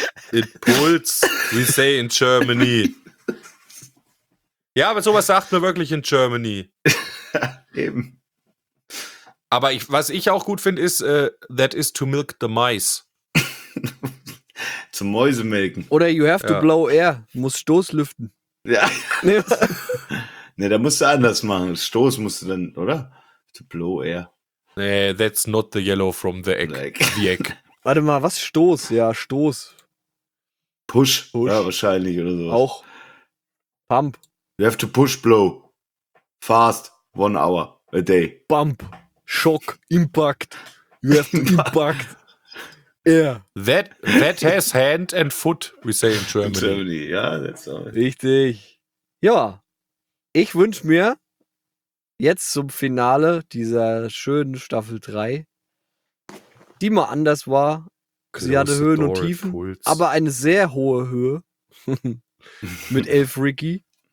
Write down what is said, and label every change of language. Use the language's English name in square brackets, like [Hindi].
[English] It pulls, we say in Germany. [German] Ja, aber sowas sagt man wirklich in Germany. Eben. Aber was ich auch gut finde, ist, [English] that is to milk the mice. [German] Zum Mäusemelken. [English] Oder you have to blow air, [German] muss Stoß lüften. Ja. Ne, da musst du anders machen. Stoß musst du dann, oder? [English] To blow air. [German] Nee, that's not the yellow from the egg. Warte mal, was Stoß? Ja, Stoß. Push. Ja, wahrscheinlich oder sowas. Auch. Pump. [English] You have to push, blow. Fast. 1 hour a day. Bump. Shock. Impact. You have to impact. Yeah. That has hand and foot, we say in Germany. In Germany, ja, that's [German] all. Richtig. Ja, ich wünsche mir jetzt zum Finale dieser schönen Staffel 3, die mal anders war. Close sie hatte Höhen und Tiefen, Pulse. Aber eine sehr hohe Höhe mit Elf Ricky.